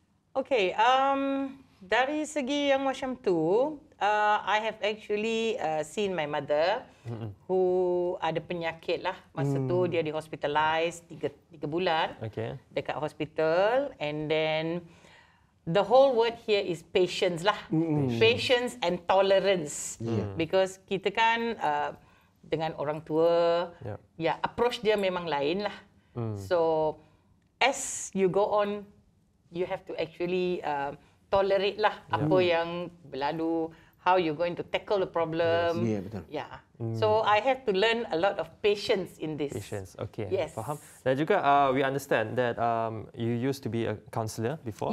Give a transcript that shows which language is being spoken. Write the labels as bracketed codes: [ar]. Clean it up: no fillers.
[ms] Okay, dari segi yang macam tu, [en] I have actually seen my mother who [ms] ada penyakit lah masa tu dia di hospitalized 3 bulan [en] okay. [ms] dekat [en] hospital and then the whole word here is patience lah. Patience and tolerance. Because [ms] kita kan dengan orang tua, ya approach dia memang lain lah. [en] So as you go on, you have to actually tolerate lah [ms] apa yang berlalu, [en] how you going to tackle the problem. So I have to learn a lot of patience in this. Patience, okay. Yes. [ms] Faham. Dan juga [en] we understand that you used to be a counselor before.